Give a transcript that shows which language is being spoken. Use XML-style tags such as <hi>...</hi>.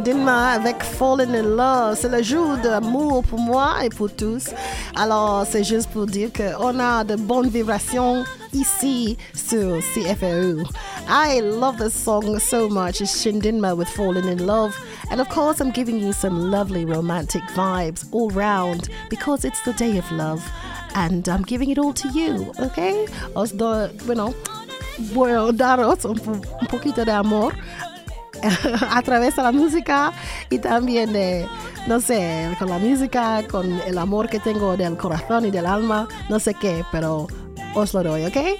<fr>Avec Falling in Love, c'est le jour d'amour pour moi et pour tous. Alors, c'est juste pour dire qu'on a de bonnes vibrations ici sur CFAO.</fr> <en>I love this song so much. It's Shindinma with Falling in Love. And of course, I'm giving you some lovely romantic vibes all round because it's the day of love. And I'm giving it all to you, okay?</en> <es>Os do, bueno, voy a daros un poquito de amor. A través de la música y también de, no sé, con la música, con el amor que tengo del corazón y del alma, no sé qué, pero os lo doy, ¿ok?</es>